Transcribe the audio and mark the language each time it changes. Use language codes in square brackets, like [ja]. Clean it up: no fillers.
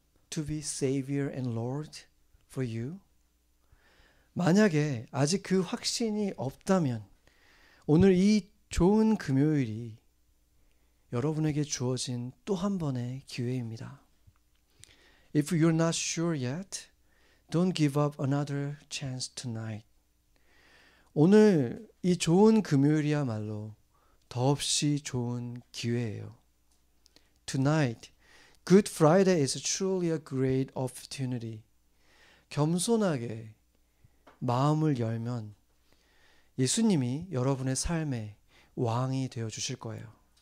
[en] To be Savior and Lord for you? [ko] 만약에 아직 그 확신이 없다면 오늘 이 좋은 금요일이 여러분에게 주어진 또 한 번의 기회입니다. [en] If you're not sure yet, don't give up another chance tonight. [ko] 오늘 이 좋은 금요일이야말로 더없이 좋은 기회예요. [en] Tonight, Good Friday is truly a great opportunity. [ko] 겸손하게 마음을 열면 예수님이 여러분의 삶의 왕이 되어 주실 거예요.